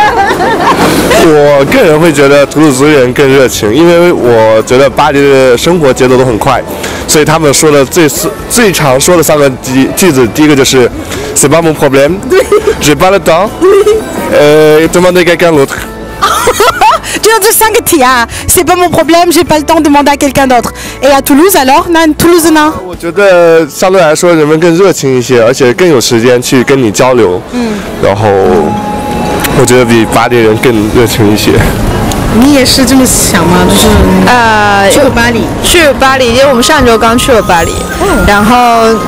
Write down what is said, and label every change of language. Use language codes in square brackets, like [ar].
[zh] 我个人会觉得图鲁兹人更热情，因为我觉得巴黎的生活节奏都很快，所以他们说的最常说的三个句子，第一个就是 [fr] c'est pas mon problème， j'ai pas le temps， demandez quelqu'un d'autre。 [zh] 就像这三个题啊， [fr] c'est pas mon problème， j'ai pas le temps， demandez à quelqu'un d'autre。 Et à Toulouse alors， [zh] 那 Toulouse 呢？我觉得相对来说人们更热情一些，而且更有时间去跟你交流。嗯，然后我觉得比巴黎人更热情一些。你也是这么想吗？就是去了巴黎，去巴黎，因为我们上周刚去了巴黎，然后。